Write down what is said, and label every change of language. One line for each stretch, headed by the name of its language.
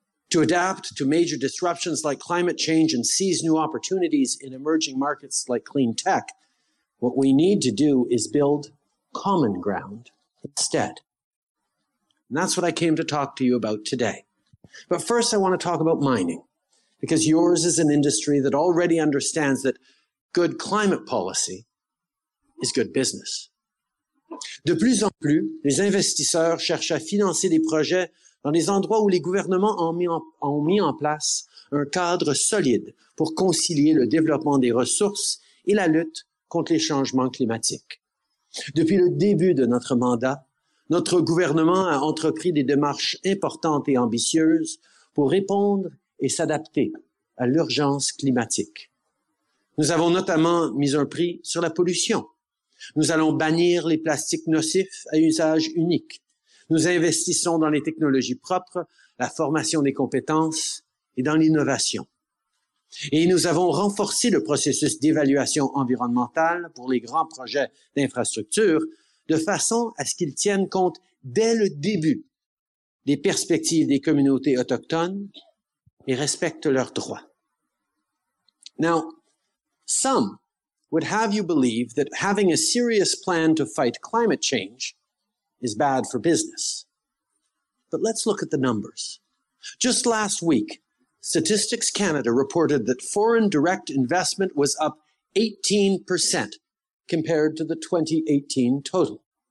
English: To adapt to major disruptions like climate change and seize new opportunities in emerging markets like clean tech, what we need to do is build common ground instead. And that's what I came to talk to you about today. But first, I want to talk about mining, because yours is an industry that already understands that good climate policy is good business.
French: De plus en plus, les investisseurs cherchent à financer des projets dans les endroits où les gouvernements ont mis en place un cadre solide pour concilier le développement des ressources et la lutte contre les changements climatiques. Depuis le début de notre mandat, notre gouvernement a entrepris des démarches importantes et ambitieuses pour répondre et s'adapter à l'urgence climatique. Nous avons notamment mis un prix sur la pollution. Nous allons bannir les plastiques nocifs à usage unique. Nous investissons dans les technologies propres, la formation des compétences et dans l'innovation. Et nous avons renforcé le processus d'évaluation environnementale pour les grands projets d'infrastructure de façon à ce qu'ils tiennent compte dès le début des perspectives des communautés autochtones et respectent leurs droits.
English: Now, some would have you believe that having a serious plan to fight climate change is bad for business. But let's look at the numbers. Just last week, Statistics Canada reported that foreign direct investment was up 18% compared to the 2018 total.